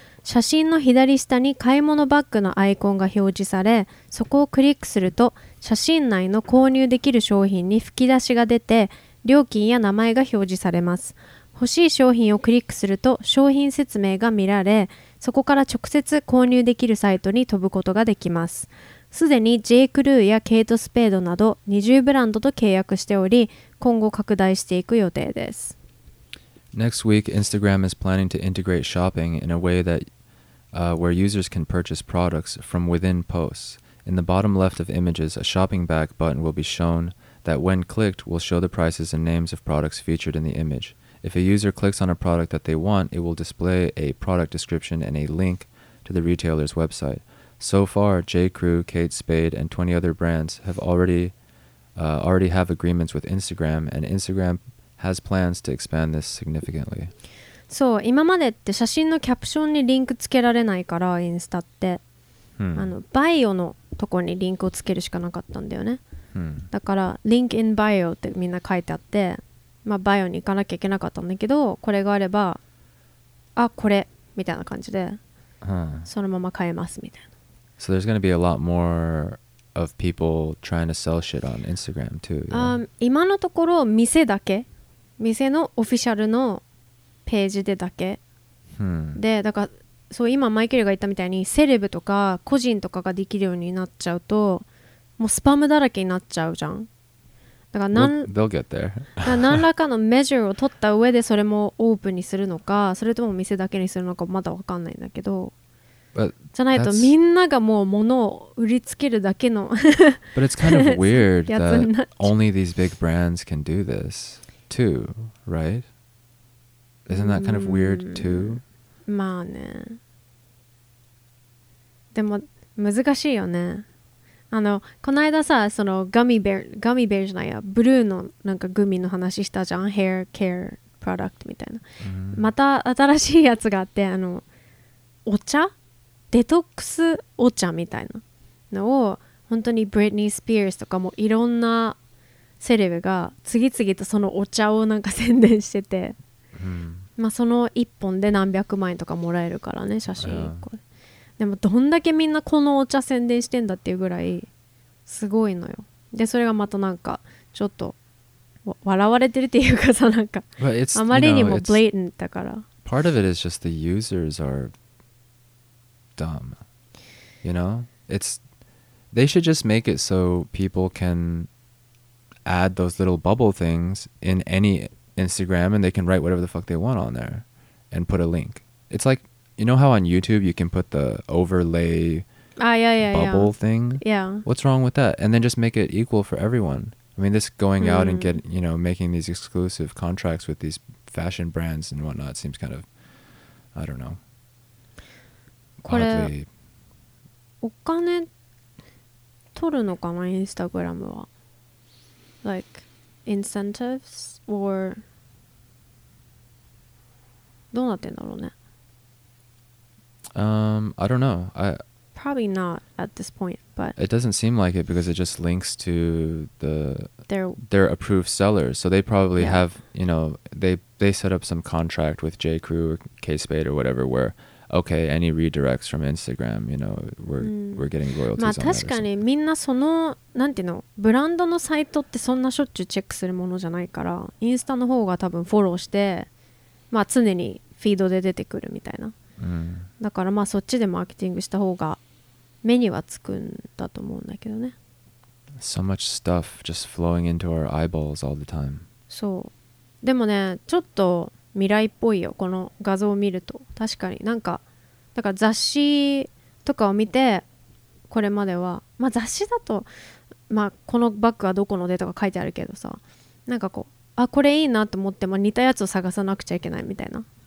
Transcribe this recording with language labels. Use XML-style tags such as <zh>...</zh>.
<ja>写真の左下に買い物バッグのアイコンが表示され、そこをクリックすると、写真内の購入できる商品に吹き出しが出て、料金や名前が表示されます。欲しい商品をクリックすると、商品説明が見られ、そこから直接購入できるサイトに飛ぶことができます。すでに J. クルーやケイトスペードなど20ブランドと契約しており、今後拡大していく予定です。</ja> <en>Next week, Instagram is planning to integrate shopping in a way that where users can purchase products from within posts. In the bottom left of images, a shopping back button will be shown that, when clicked, will show the prices and names of products featured in the image. If a user clicks on a product that they want, it will display a product description and a link to the retailer's website. So far, J. Crew, Kate Spade, and 20 other brands have already have agreements with Instagram, and Instagram has plans to expand this significantly.</en> <ja>そう、今までって写真のキャプションにリンクつけられないから、インスタって、あのバイオのとこにリンクをつけるしかなかったんだよね。だから、リンクインバイオってみんな書いてあって、まあ、バイオに行かなきゃいけなかったんだけど、これがあれば、あ、これみたいな感じで、そのまま買えますみたいな。</ja> <en>So there's going to be a lot more of people trying to sell shit on Instagram too. Yeah?</en> <ja>今のところ店だけ、店のオフィシャルのページでだけ。で、だからそう、今マイケルが言ったみたいにセレブとか個人とかができるようになっちゃうと、もうスパムだらけになっちゃうじゃん。だから</ja> <en>They'll get there.</en> <ja>だから何らかのメジャーを取った上でそれもオープンにするのか、それとも店だけにするのかまだわかんないんだけど。</ja> <en>But、</en> <ja>じゃないとみんながもう物を売りつけるだけの</ja> <en>But it's kind of weird that only these big brands can do this too, right? Isn't that kind of weird too?</en> <ja>まあね、でも難しいよね。あのこの間さ、そのガミベアじゃないや、ブルーのなんかグミの話したじゃん、ヘアケアプロダクトみたいな、また新しいやつがあって、あのお茶、デトックスお茶みたいなのを、本当にブリトニー・スピアーズとかもいろんなセレブが次々とそのお茶をなんか宣伝してて、まあその一本で何百万円とかもらえるからね、写真一個、でもどんだけみんなこのお茶宣伝してんだっていうぐらいすごいのよ。でそれがまたなんかちょっと笑われてるっていうかさ、なんかあまりにもブレイトだから、</ja> <en>part of it is just the users areDumb, you know, it's they should just make it so people can add those little bubble things in any Instagram and they can write whatever the fuck they want on there and put a link. It's like, you know how on YouTube you can put the overlay bubble thing? Yeah. What's wrong with that? And then just make it equal for everyone. I mean, this going out and get, you know, making these exclusive contracts with these fashion brands and whatnot seems kind of, I don't know.</en> <ja>これお金取るのかな、インスタグラムは。</ja> <en>Like incentives or</en> <ja>どうなってんだろうね。</ja> <en>I don't know. I probably not at this point, but it doesn't seem like it because it just links to the their approved sellers. So they probably have, you know, they set up some contract with J. Crew or K. Spade or whatever where. Okay, any redirects from Instagram, you know, we're getting royalties on that.</en> <ja>まあ確かにみんなそのなんていうの、ブランドのサイトってそんなしょっちゅうチェックするものじゃないから、インスタの方が多分フォローして、まあ常にフィードで出てくるみたいな。だからまあそっちでマーケティングした方が目にはつくんだと思うんだけどね。</ja> <en>So much stuff just flowing into our eyeballs all the time.</en> <ja>そう。でもね、ちょっと未来っぽいよ、この画像を見ると。確かになんか、だから雑誌とかを見て、これまでは、まあ雑誌だと、まあこのバッグはどこのでとか書いてあるけどさ、なんかこう、あ、これいいなと思っても似たやつを探さなくちゃいけないみたいな。</ja>